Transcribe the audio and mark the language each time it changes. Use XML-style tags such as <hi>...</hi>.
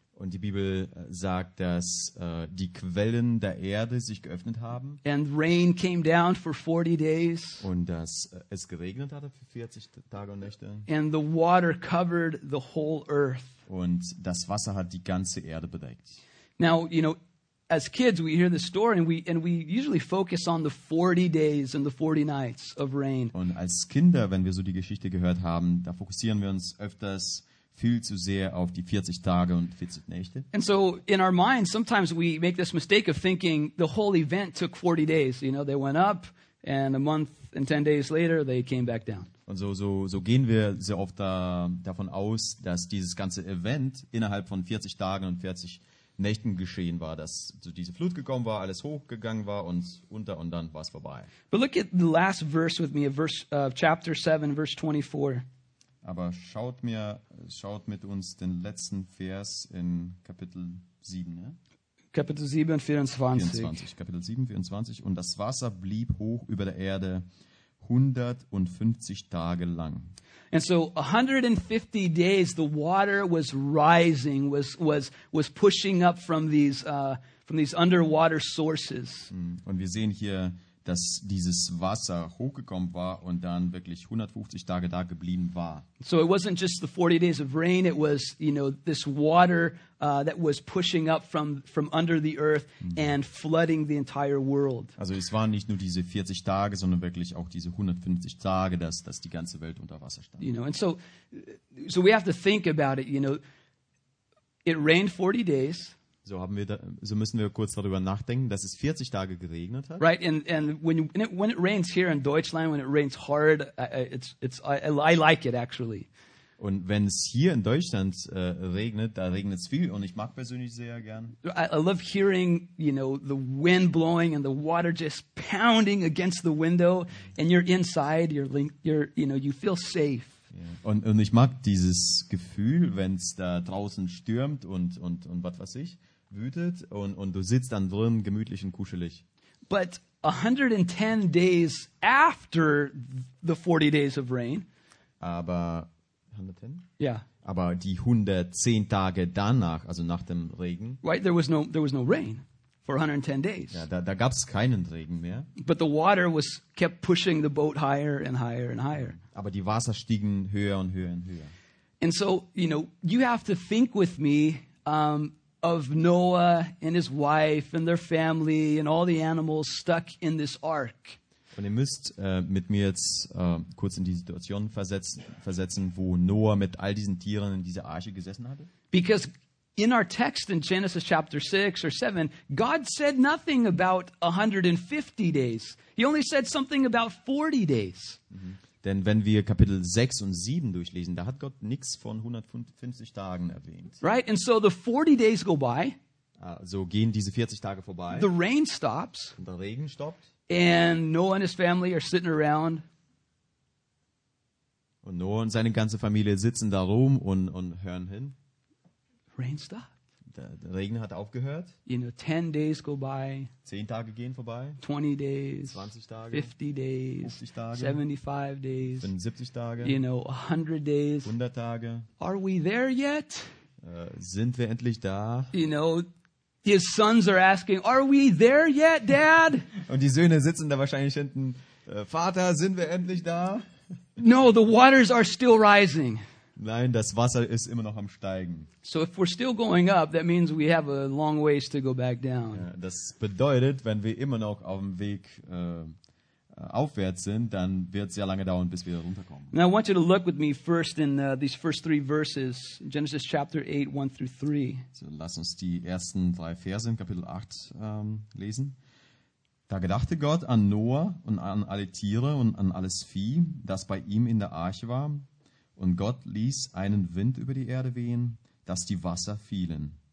<de>Und die Bibel sagt, dass die Quellen der Erde sich geöffnet haben.</de> <en>And rain came down for 40 days.</en> <de>Und dass es geregnet hatte für 40 Tage und Nächte.</de> <en>And the water covered the whole earth.</en> <de>Und das Wasser hat die ganze Erde bedeckt.</de> <en>Now, you know, as kids we hear this story and we usually focus on the 40 days and the 40 nights of rain.</en> <de>Und als Kinder, wenn wir so die Geschichte gehört haben, da fokussieren wir uns öfters viel zu sehr auf die 40 Tage und 40 Nächte.</de> <en>And so in our minds sometimes we make this mistake of thinking the whole event took 40 days, you know, they went up and a month and 10 days later they came back down.</en> <de>Und so gehen wir sehr oft davon aus, dass dieses ganze Event innerhalb von 40 Tagen und 40 Nächten geschehen war, dass so diese Flut gekommen war, alles hochgegangen war und unter und dann war es vorbei.</de> <en>But look at the last verse with me, chapter 7 verse 24.</en> <de>Aber schaut mit uns den letzten Vers in Kapitel 7. Ne? Kapitel 7, 24. Kapitel 7, 24. Und das Wasser blieb hoch über der Erde 150 Tage lang.</de> <en>And so 150 days the water was rising, was pushing up from these underwater sources.</en> <de>Und wir sehen hier, dass dieses Wasser hochgekommen war und dann wirklich 150 Tage da geblieben war.</de> <en>So it wasn't just the 40 days of rain, it was, you know, this water that was pushing up from under the earth and flooding the entire world.</en> <de>Also es waren nicht nur diese 40 Tage, sondern wirklich auch diese 150 Tage, dass die ganze Welt unter Wasser stand.</de> <en>You know, and so we have to think about it, you know. It rained 40 days.</en> <de>So haben wir da, so müssen wir kurz darüber nachdenken, dass es 40 Tage geregnet hat.</de> <en>Right, and when it rains here in Deutschland, when it rains hard, I like it actually.</en> <de>Und wenn es hier in Deutschland regnet, da regnet es viel und ich mag persönlich sehr gern.</de> <en>I love hearing, you know, the wind blowing and the water just pounding against the window and you're inside, you're you know, you feel safe. Yeah.</en> <de>Und ich mag dieses Gefühl, wenn es da draußen stürmt und was weiß ich, wütet und du sitzt dann drin, gemütlich und kuschelig.</de> <en>But 110 days after the 40 days of rain.</en> <de>Aber 110? Ja. Yeah. Aber die 110 Tage danach, also nach dem Regen.</de> <en>Right, there was no rain for 110 days.</en> <de>Ja, da gab es keinen Regen mehr.</de> <en>But the water was kept pushing the boat higher and higher and higher.</en> <de>Aber die Wasser stiegen höher und höher und höher.</de> <en>And so, you know, you have to think with me of Noah and his wife and their family and all the animals stuck in this ark.</en> <de>Und ihr müsst mit mir jetzt kurz in die Situation versetzen, wo Noah mit all diesen Tieren in dieser Arche gesessen hatte.</de> <en>Because in our text in Genesis chapter 6 or 7, God said nothing about 150 days. He only said something about 40 days. Mhm.</en> <de>Denn wenn wir Kapitel 6 und 7 durchlesen, da hat Gott nichts von 150 Tagen erwähnt.</de> <en>Right, and so the 40 days go by.</en> <de>Also gehen diese 40 Tage vorbei.</de> <en>The rain stops.</en> <de>Und der Regen stoppt.</de> <en>And Noah and his family are sitting around.</en> <de>Und Noah und seine ganze Familie sitzen da rum und hören hin.</de> <en>Rain stopped.</en> <de>Der Regen hat aufgehört.</de> <en>You know, 10 days go by.</en> <de>10 Tage gehen vorbei.</de> <en>20 days.</en> <de>20 Tage.</de> <en>50 days.</en> <de>50 Tage.</de> <en>75 days.</en> <de>75 Tage.</de> <en>You know, 100 days.</en> <de>100 Tage.</de> <en>Are we there yet?</en> <de>Sind wir endlich da?</de> <en>You know, his sons are asking, are we there yet, Dad?</en> <de>Und die Söhne sitzen da wahrscheinlich hinten. Vater, sind wir endlich da?</de> <en>No, the waters are still rising.</en> <de>Nein, das Wasser ist immer noch am Steigen.</de> <en>So if we're still going up, that means we have a long ways to go back down.</en> <de>Ja, das bedeutet, wenn wir immer noch auf dem Weg aufwärts sind, dann wird es sehr lange dauern, bis wir runterkommen.</de> <en>Now I want you to look with me first in these first three verses, Genesis chapter 8, 1 through 3.</en> <de>So lass uns die ersten drei Verse in Kapitel 8 lesen. Da gedachte Gott an Noah und an alle Tiere und an alles Vieh, das bei ihm in der Arche war. Und Gott ließ einen Wind über die Erde wehen, dass die Wasser fielen.</de>